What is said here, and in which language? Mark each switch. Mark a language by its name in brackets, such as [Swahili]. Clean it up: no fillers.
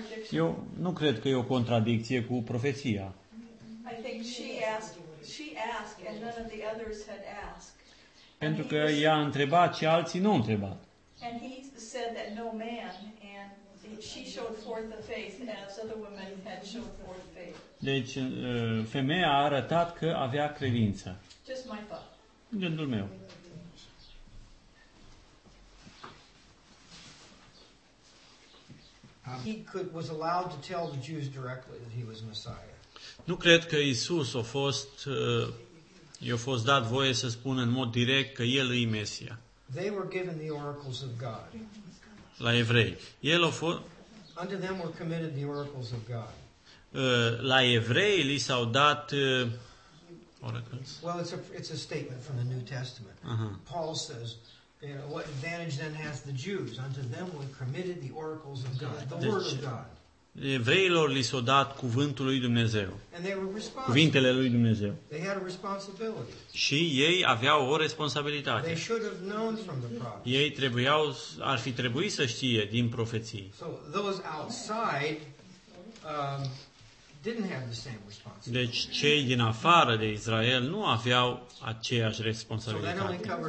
[Romanian] Eu nu cred că e o contradicție cu profeția. [English] I think she asked and none of the others had asked. [Romanian] Pentru că ea a întrebat și alții nu au întrebat. [English] And he said that no man, and she showed forth the faith as other women had showed forth faith. [Romanian] Deci femeia a arătat că avea credință. [English] Just my thought. [Romanian] Gândul meu. [English] He could was allowed to tell the Jews directly that he was Messiah. [Romanian] Nu cred că Iisus a fost i-a fost dat voie să spună în mod direct că el e Mesia. [English] They were given the oracles of God. [Romanian] La evrei. El a fost [English] Under them were committed the oracles of God. [Romanian] La evrei li s-au dat oracles. [English] Well, it's a statement from the New Testament. Uh-huh. Paul says, you know, what advantage then has the Jews? Unto them were committed the oracles of God, the [Romanian] deci, [English] word of God. [Romanian] Evreilor li s-a dat cuvântul lui Dumnezeu. [English] And they were responsible. [Romanian] Cuvintele lui Dumnezeu. [English] They had a responsibility. [Romanian] Și ei aveau o responsabilitate. [English] They should have known from the prophecy. [Romanian] Ei trebuiau, ar fi trebuit să știe din profeții. [English] So those outside didn't have the same responsibility. [Romanian] Deci cei din afară de Israel nu aveau aceeași responsabilitate.